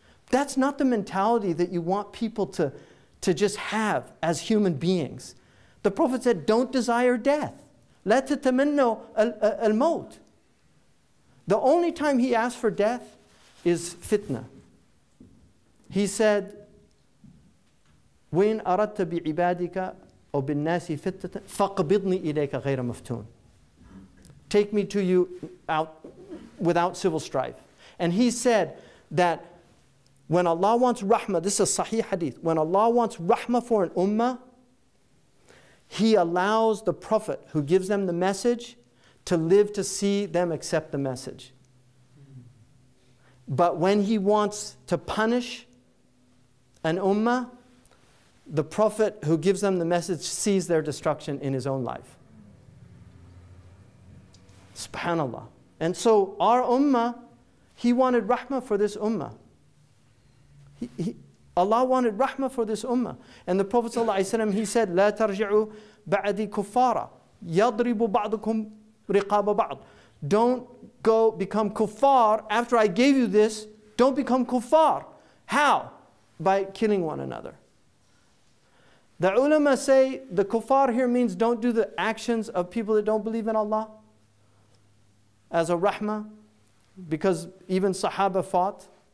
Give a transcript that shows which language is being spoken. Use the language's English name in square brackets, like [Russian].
[English] That's not the mentality that you want people to just have as human beings. The Prophet said, don't desire death. [Arabic] لَا تَتَمَنَّوا الْمَوْتِ. [English] The only time he asked for death is fitna. He said, [Arabic] وَإِنْ أَرَدْتَ بِعِبَادِكَ أَوْ بِالنَّاسِ فِتَّةً فَقْبِضْنِي إِلَيْكَ غَيْرَ مَفْتُونَ. [English] Take me to you out without civil strife. And he said that When Allah wants rahmah, this is a sahih hadith, when Allah wants rahmah for an ummah, He allows the Prophet who gives them the message to live to see them accept the message. But when He wants to punish an ummah, the Prophet who gives them the message sees their destruction in his own life. SubhanAllah. And so our ummah, He wanted rahmah for this ummah. Allah wanted rahmah for this ummah. And the Prophet ﷺ, he said, [Arabic] لَا تَرْجِعُوا بَعَدِي كُفَّارًا يَضْرِبُ بَعْضُكُمْ رِقَابَ بَعْضٍ. [English] Don't go become kuffar after I gave you this. Don't become kuffar. How? By killing one another. The ulama say the kuffar here means don't do the actions of people that don't believe in Allah as a rahmah, because even sahaba fought.